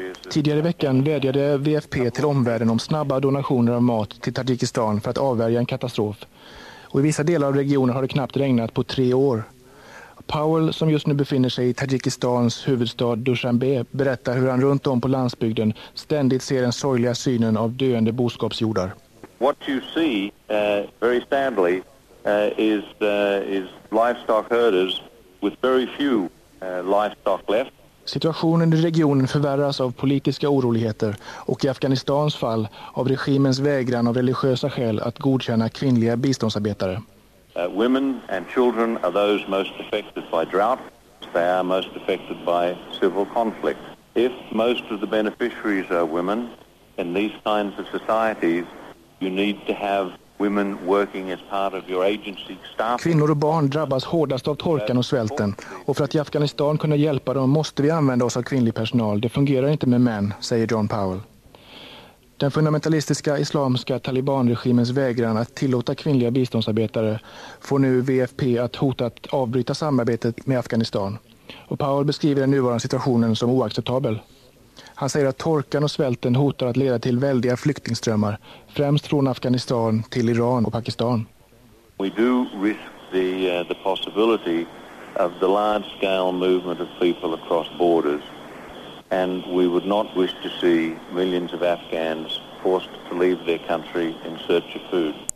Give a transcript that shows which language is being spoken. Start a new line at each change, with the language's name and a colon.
Swedish: Tidigare i veckan vädjade WFP till omvärlden om snabba donationer av mat till Tadzjikistan för att avvärja en katastrof. Och i vissa delar av regionen har det knappt regnat på 3 år. Powell, som just nu befinner sig i Tadzjikistans huvudstad Dushanbe, berättar hur han runt om på landsbygden ständigt ser den sorgliga synen av döende boskapsjordar.
English: What you see very sadly is livestock herders with very few livestock left.
Swedish: Situationen i regionen förvärras av politiska oroligheter och i Afghanistans fall av regimens vägran av religiösa skäl att godkänna kvinnliga biståndsarbetare.
English: Women and children are those most affected by drought. They are most affected by civil conflict. If most of the beneficiaries are women in these kinds of societies, you need to have women working as part of your agency staff.
Swedish: Kvinnor och barn drabbas hårdast av torkan och svälten. Och för att i Afghanistan kunna hjälpa dem måste vi använda oss av kvinnlig personal. Det fungerar inte med män, säger John Powell. Den fundamentalistiska islamska talibanregimens vägran att tillåta kvinnliga biståndsarbetare får nu WFP att hota att avbryta samarbetet med Afghanistan. Och Powell beskriver den nuvarande situationen som oacceptabel. Han säger att torkan och svälten hotar att leda till väldiga flyktingströmmar, främst från Afghanistan till Iran och Pakistan.
English: We do risk the possibility of the large scale movement of people across borders, and we would not wish to see millions of Afghans forced to leave their country in search of food.